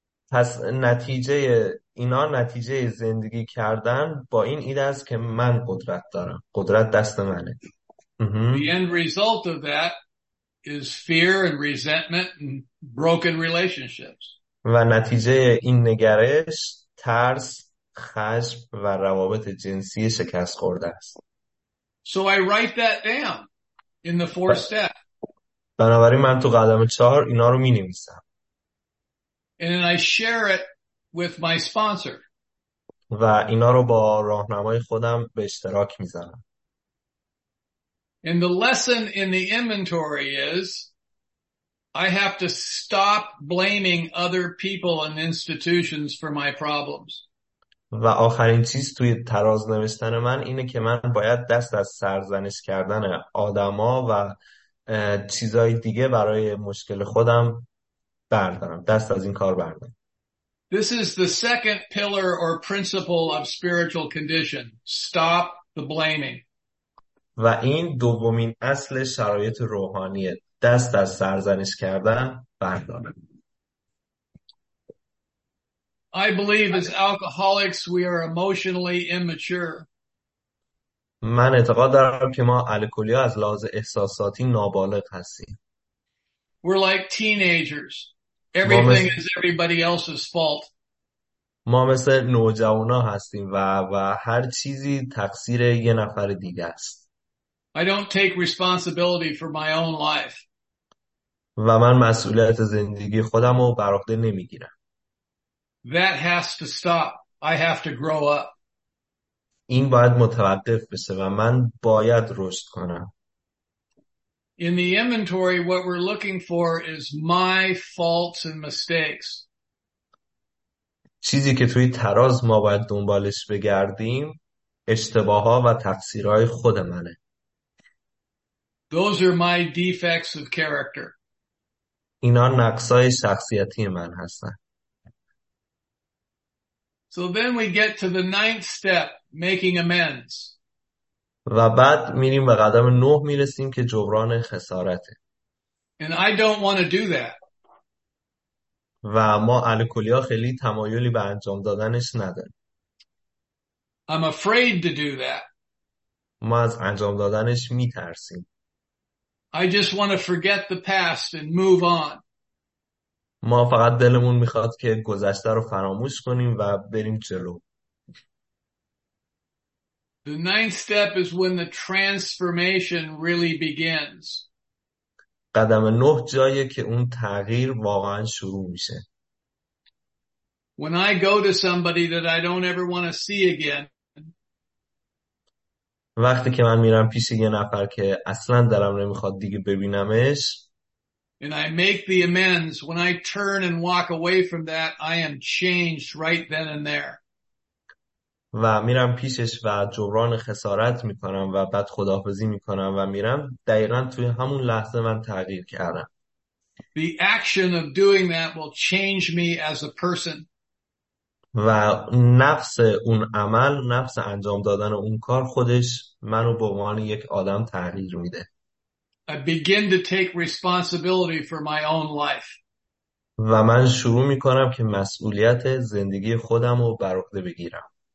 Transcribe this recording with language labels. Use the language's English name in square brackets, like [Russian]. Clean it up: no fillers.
[Persian] پس نتیجه اینا، نتیجه زندگی کردن با این ایده است که من قدرت دارم. قدرت دست منه. [English] The end result of that is fear and resentment and broken relationships. [Persian] و نتیجه این نگرش ترس، خشم و روابط جنسی شکست خورده است. [English] So I write that down in the fourth step. [Persian] بنابراین من تو قدم چهار اینا رو می‌نویسم. [English] And then I share it with my sponsor. [Persian] و اینا رو با راهنمای خودم به اشتراک میذارم. [English] And the lesson in the inventory is I have to stop blaming other people and institutions for my problems. [Persian] و آخرین چیز توی تراز نوشتن من اینه که من باید دست از سرزنش کردن آدما و چیزهای دیگه برای مشکل خودم بردارم. دست از این کار بردارم. [English] This is the second pillar or principle of spiritual condition. Stop the blaming. [Persian] و این دومین اصل شرایط روحانیه. دست از سرزنش کردن بردارم. [English] I believe as alcoholics we are emotionally immature. [Persian] من اعتقاد دارم که ما الکلی‌ها از لحاظ احساساتی نابالغ هستیم. [English] We're like teenagers. Everything is everybody else's fault. [Persian] ما مثل نوجوانا هستیم و هر چیزی تقصیر یه نفر دیگه است. [English] I don't take responsibility for my own life. [Persian] و من مسئولیت زندگی خودم رو بر عهده نمیگیرم. [English] That has to stop. I have to grow up. [Persian] این باید متوقف بشه و من باید رشد کنم. [English] In the inventory, what we're looking for is my faults and mistakes. [Persian] چیزی که توی تراز ما باید دنبالش بگردیم اشتباه‌ها و تقصیرهای خود منه. [English] Those are my defects of character. [Persian] اینا نقصهای شخصیتی من هستن. [English] So then we get to the ninth step, making amends. [Persian] و بعد میریم به قدم نه میرسیم که جبران خسارته. [English] And I don't want to do that. [Persian] و ما الکلی ها خیلی تمایلی به انجام دادنش نداریم. [English] I'm afraid to do that. [Persian] ما از انجام دادنش میترسیم. [English] I just want to forget the past and move on. [Persian] ما فقط دلمون میخواد که گذشته رو فراموش کنیم و بریم جلو. [English] The ninth step is when the transformation really begins. [Persian] قدم نه جاییه که اون تغییر واقعا شروع میشه. [English] When I go to somebody that I don't ever want to see again. [Persian] وقتی که من میرم پیش یه نفر که اصلا دلم نمیخواد دیگه ببینمش. [English] And I make the amends. When I turn and walk away from that, I am changed right then and there. [Persian] و میرم پیشش و جبران خسارت میکنم و بعد خداحافظی میکنم و میرم، دقیقا توی همون لحظه من تغییر کردم. [English] The action of doing that will change me as a person. [Persian] و نفس اون عمل، نفس انجام دادن اون کار خودش منو به عنوان یک آدم تغییر میده. [English] I begin to take responsibility for my own life. [Persian] و من شروع میکنم که مسئولیت زندگی خودم رو بر عهده بگیرم.